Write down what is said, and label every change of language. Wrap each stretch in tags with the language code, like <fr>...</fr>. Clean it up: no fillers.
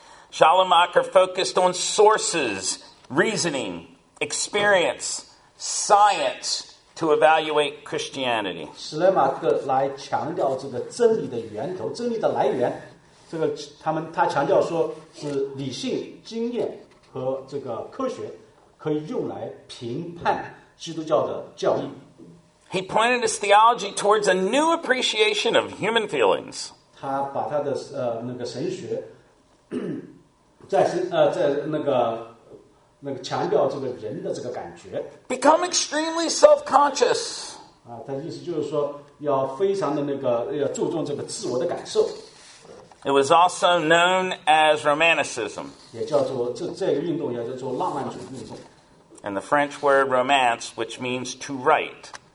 <en>Schleiermacher focused on sources, reasoning, experience, science to evaluate Christianity.</en> <zh>施莱马克来强调这个真理的源头，真理的来源。这个他强调说是理性经验和这个科学可以用来评判基督教的教义。</zh> <en>He pointed his theology towards a new appreciation of human feelings.</en> <zh>他把他的那个神学在那个强调这个人的这个感觉。</zh> <en>Become extremely self-conscious.</en> <zh>他意思就是说要非常的那个要注重这个自我的感受。</zh> <en>It was also known as Romanticism.</en> <zh>也叫做这个运动也叫做浪漫主义运动。</zh> <en>And the French word romance, which means to write.</en>